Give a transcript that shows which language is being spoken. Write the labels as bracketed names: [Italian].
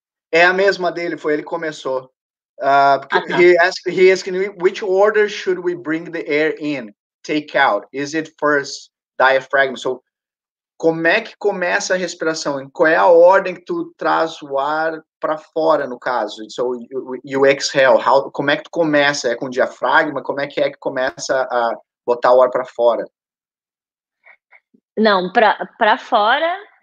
[Portuguese] É a mesma dele. Foi ele que começou. [English] He asked which order should we bring the air in, take out? Is it first diaphragm? So, [Portuguese] como é que começa a respiração? Qual é a ordem que tu traz o ar para fora, no caso? [English] So, you exhale. [Portuguese] Como é que tu começa? É com diafragma? Como é que começa a botar o ar para fora? Não, para fora.